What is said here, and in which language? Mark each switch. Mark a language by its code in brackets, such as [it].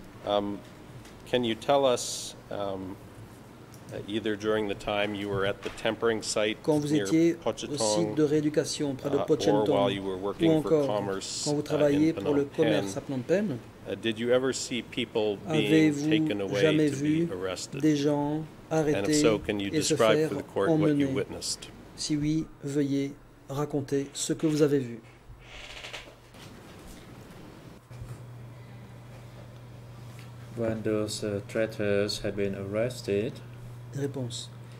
[en] Can you tell us, either during the time you were at the tempering site [fr] quand vous étiez au site de rééducation près de Pochentong, ou encore quand vous travailliez pour le commerce à Phnom Penh, [en] did you ever see people being taken away to be arrested? [fr] Des gens arrêtés et se faire emmener? Si oui, veuillez raconter ce que vous avez vu. [en] When those traitors had been arrested, [fr] réponse.